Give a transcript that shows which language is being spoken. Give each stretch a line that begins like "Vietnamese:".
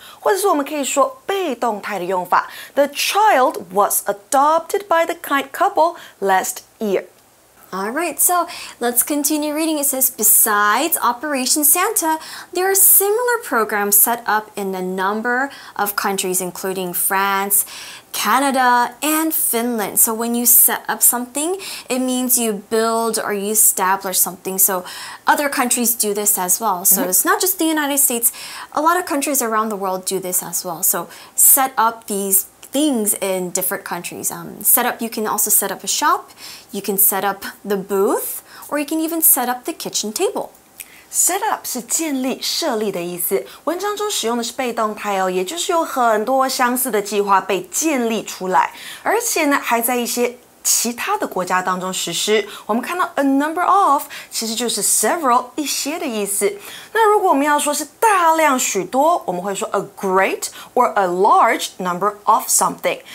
Chinese: 或者是我们可以说被动态的用法。
English: The child was adopted by the kind couple last year. All right, so let's continue reading. It says, besides Operation Santa, there are similar programs set up in a number of countries, including France, Canada, and Finland. So when you set up something, it means you build or you establish something. So other countries do this as well. So mm-hmm. it's not just the United States. A lot of countries around the world do this as well. So set up these things in different countries. Set up, you can also set up a shop, you can set up the booth, or you can even set up the kitchen table.
Chinese: Set up 是建立、设立的意思。文章中使用的是被动态哦，也就是有很多相似的计划被建立出来，而且呢，还在一些其他的国家当中实施。我们看到 a number of 其实就是 several 一些的意思。那如果我们要说是大量许多，我们会说
English: a great or a large number of something。